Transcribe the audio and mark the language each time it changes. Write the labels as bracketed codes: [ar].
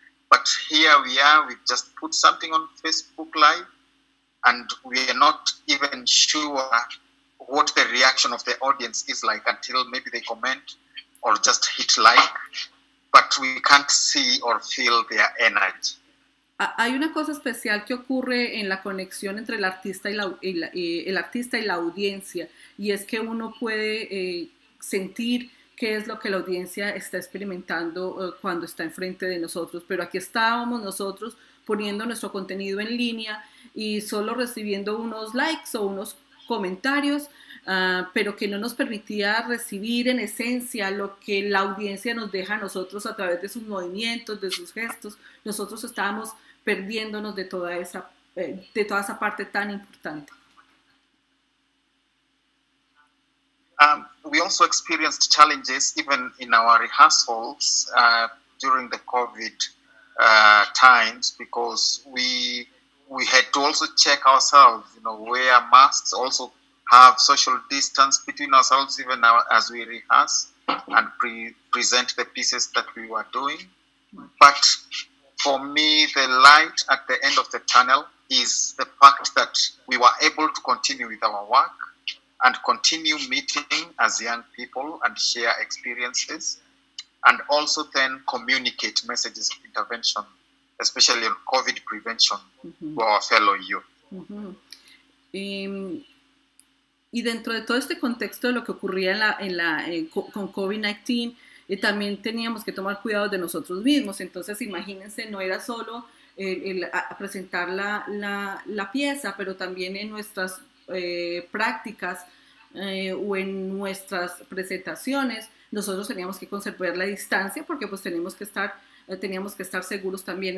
[en] But here we are, we just put something on Facebook Live and we are not even sure what the reaction of the audience is like until maybe they comment or just hit like, but we can't see or feel their energy. [es] Hay una cosa especial que ocurre en la conexión entre el artista y la audiencia, y es que uno puede sentir qué es lo que la audiencia está experimentando cuando está enfrente de nosotros. Pero aquí estábamos nosotros poniendo nuestro contenido en línea y solo recibiendo unos likes o unos comentarios, pero que no nos permitía recibir en esencia lo que la audiencia nos deja a nosotros a través de sus movimientos, de sus gestos. Nosotros estábamos perdiéndonos de toda esa parte tan importante. [en] We also experienced challenges even in our rehearsals during the COVID times because we had to also check ourselves, you know, wear masks, also have social distance between ourselves even now as we rehearse and present the pieces that we were doing. But for me, the light at the end of the tunnel is the fact that we were able to continue with our work and continue meeting as young people and share experiences and also then communicate messages of intervention, especially on COVID prevention, mm-hmm. to our fellow youth. Mm-hmm. [es] Y dentro de todo este contexto de lo que ocurría con COVID-19, también teníamos que tomar cuidado de nosotros mismos. Entonces, imagínense, no era solo el presentar la pieza, pero también en nuestras prácticas o en nuestras presentaciones, nosotros teníamos que conservar la distancia porque pues teníamos que estar seguros también.